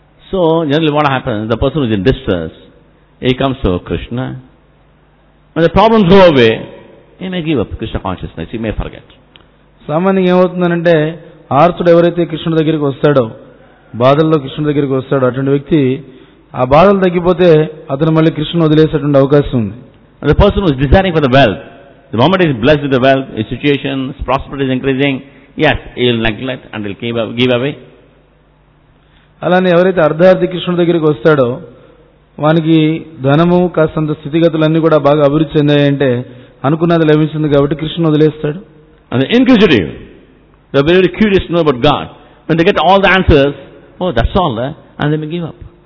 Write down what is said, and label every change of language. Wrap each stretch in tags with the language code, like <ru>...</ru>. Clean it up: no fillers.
<en>So general what happens, the person is in distress, he comes to Krishna, and the problems go away. He may give up Krishna consciousness, he may forget.</en> <te>సామాన్యంగా ఏమవుతుందంటే ఆర్తుడు ఎవరైతే కృష్ణుడి దగ్గరికి వస్తాడో, బాధల్లో కృష్ణుడి దగ్గరికి వస్తాడో, అటువంటి వ్యక్తి ఆ బాధలు తగ్గిపోతే అతను మళ్ళీ కృష్ణుని వదిలేసేటువంటి అవకాశం ఉంది.</te> <en>The person who is desiring for the wealth, the moment he is blessed with the wealth, his situation, his prosperity is increasing, yes, he will neglect and he will give away.</en> <te>అలానే ఎవరైతే అర్ధార్థి కృష్ణుడి దగ్గరికి వస్తాడో, వానికి ధనము కాస్తంత స్థితిగతులన్నీ కూడా బాగా అభివృద్ధి చెందాయంటే అనుకున్నది లభిస్తుంది కాబట్టి కృష్ణ వదిలేస్తాడు.</te> <en>And inquisitive, the very curious know about God, when the get all the answers, oh that's all and they may give up.</en>